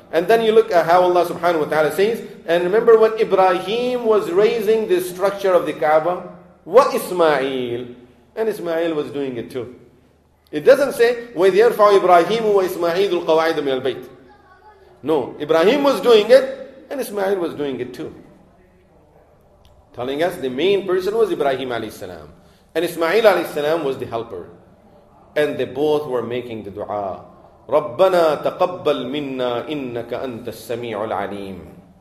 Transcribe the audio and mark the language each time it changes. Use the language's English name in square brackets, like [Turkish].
[English] And then you look at how Allah subhanahu wa ta'ala says, and remember when Ibrahim was raising the structure of the Kaaba, وَإِسْمَعِيلُ, and Ismail was doing it too. It doesn't say, [Arabic] وَإِذْ يَرْفَعُ إِبْرَاهِيمُ وَإِسْمَعِيلُ الْقَوَاعِدُ مِنَ الْبَيْتِ. [English] No, Ibrahim was doing it, and Ismail was doing it too. Telling us the main person was Ibrahim alayhi salam, and Ismail alayhi salam was the helper. And they both were making the dua. [Arabic] رَبَّنَا تَقَبَّلْ مِنَّا إِنَّكَ أَنْتَ السَّمِيعُ الْعَلِيمُ.